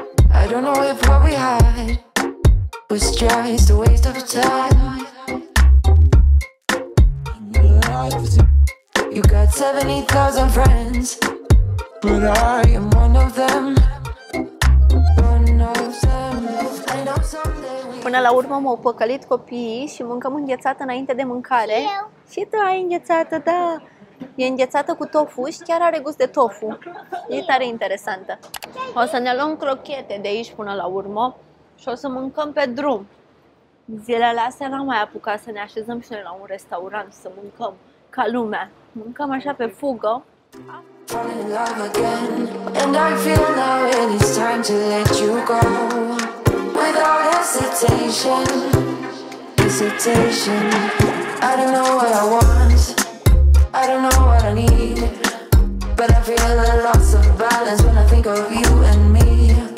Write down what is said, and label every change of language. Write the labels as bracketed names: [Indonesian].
[English] I don't know if what we had was just a waste of time. You got 70,000 friends, but I am one of them, one of them. I know someday we... [Romanian] Până la urmă m-au păcălit copiii și mâncăm înghețată înainte de mâncare. Și tu ai înghețată, da. E înghețată cu tofu și chiar are gust de tofu. E tare interesantă. O să ne luăm crochete de aici până la urmă și o să mâncăm pe drum. Zilele astea n-am mai apucat să ne așezăm și noi la un restaurant să mâncăm ca lumea. Mâncăm așa pe fugă. [English] Falling in love again, and I feel now it is time to let you go without hesitation, hesitation. I don't know what I want, I don't know what I need, but I feel a loss of balance when I think of you and me.